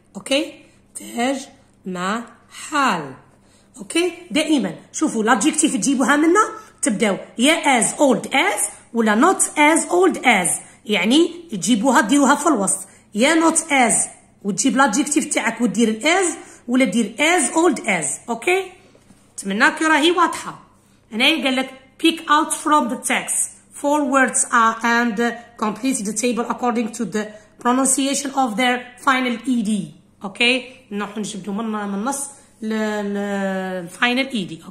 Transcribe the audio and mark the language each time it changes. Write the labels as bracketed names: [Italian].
[Arabic] اوكي تاج محل. اوكي دائما شوفوا لادجيكتيف تجيبوها منا تبداو يا [English] as old as [Arabic] ولا [English] not as old as. [Arabic] يعني تجيبوها ديروها في الوسط يا [English] not as [Arabic] وتجيب لادجيكتيف تاعك ودير as ولا دير [English] as old as. [Arabic] اوكي تمناك راهي واضحه. هنا قال لك [English] pick out from the text four words and complete the table according to the pronunciation of their final ed. [Arabic] اوكي نروح نجيبو من النص للفاينل اي دي.